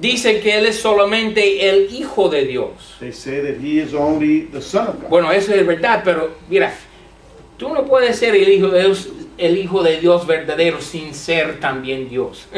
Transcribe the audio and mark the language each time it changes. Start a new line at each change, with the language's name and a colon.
Spanish: Dicen que él es solamente el hijo de Dios.
English: They say that he is only the son of God.
Spanish: Bueno, eso es verdad, pero mira, tú no puedes ser el hijo de Dios verdadero sin ser también Dios.